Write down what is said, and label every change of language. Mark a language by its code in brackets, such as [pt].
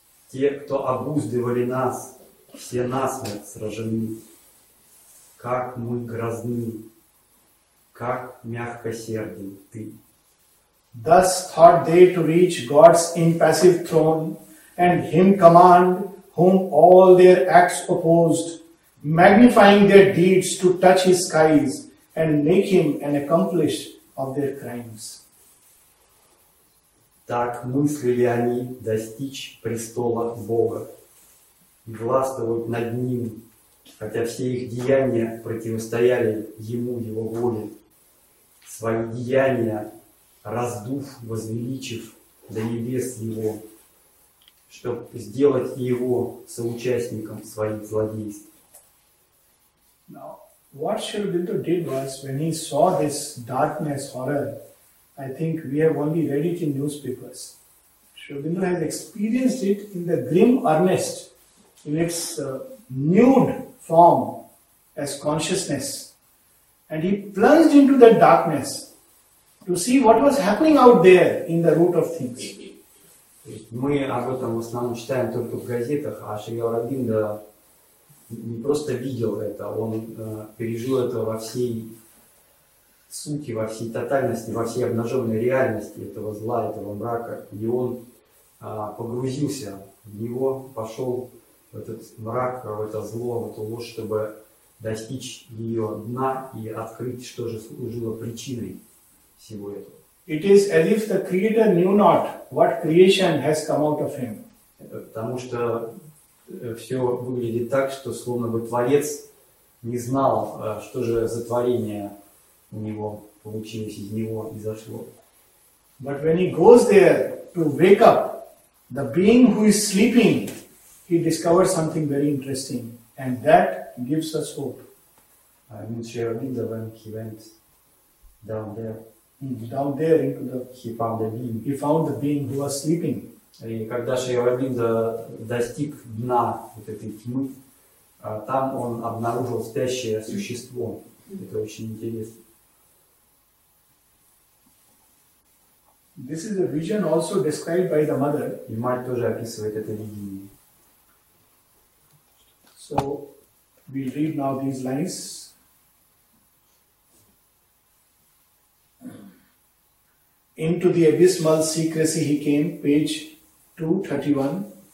[ru] Те, кто обуздывали нас, все насмерть сражены. Как мы грозны, как мягкосерден ты. [en] Thus thought they to reach God's impassive throne and him command, whom all their acts opposed, magnifying their deeds to touch his skies and make him an accomplice of their crimes. [ru] Так мыслили они достичь престола Бога, властвовать над ним, хотя все их деяния противостояли ему, его воле. Свои деяния раздув, возвеличив до небес его, чтоб сделать его соучастником своих злодейств. [en] Now, what Shrivindra did was, when he saw this darkness, horror, I think we have only read it in newspapers. Shrivindra has experienced it in the grim earnest, in its nude form as consciousness. And he plunged into that darkness to see what was happening out there in the root of things. [ru] Мы об этом в основном читаем только в газетах, а Шри Аурабиндо не просто видел это, он пережил это во всей сути, во всей тотальности, во всей обнаженной реальности этого зла, этого мрака. И он погрузился в него, пошел в этот мрак, в это зло, в эту ложь, чтобы достичь ее дна и открыть, что же служило причиной всего этого. [en] It is as if the creator knew not what creation has come out of him. [ru] Потому что все выглядит так, что словно бы творец не знал, что же за творение у него получилось, из него изошло. [en] But when he goes there to wake up the being who is sleeping, he discovers something very interesting, and that gives us hope. I mean, Sri Aurobindo, when he went down there. Down there into the he found the being. He found the being who was sleeping. [ru] И когда Шри Аурабиндо достиг дна вот этой тьмы, там он обнаружил спящее существо. Это очень интересно. [en] This is a vision also described by the mother. [ru] И мать тоже описывает это видение. [en] So we read now these lines. Into the abysmal secrecy he came, page 231.